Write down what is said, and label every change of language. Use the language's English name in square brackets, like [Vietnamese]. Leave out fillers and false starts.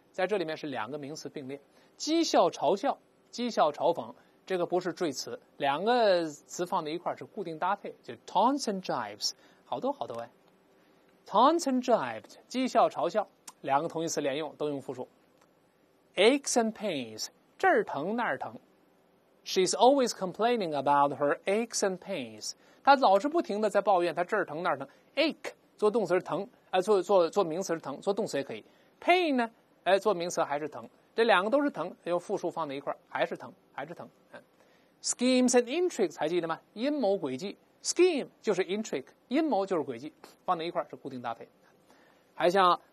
[Chinese] 在这里面是两个名词并列，讥笑、嘲笑、讥笑、嘲讽，这个不是缀词，两个词放在一块是固定搭配，就 taunts and jibes， 好多好多哎 ，taunts and jibes， 讥笑、嘲笑。两个同义词连用，都用复数。 [English] Aches and pains， [Chinese] 这儿疼那儿疼。 [English] She's always complaining about her aches and pains。 [Chinese] 她老是不停的在抱怨，她这儿疼那儿疼。Ache 做动词是疼，做名词是疼，做动词也可以。 Pain 呢，做名词还是疼。这两个都是疼，用复数放在一块还是疼。 Schemes and intrigues 还记得吗？阴谋诡计 ，scheme 就是 intrigue， 阴谋就是诡计，放在一块是固定搭配。还像。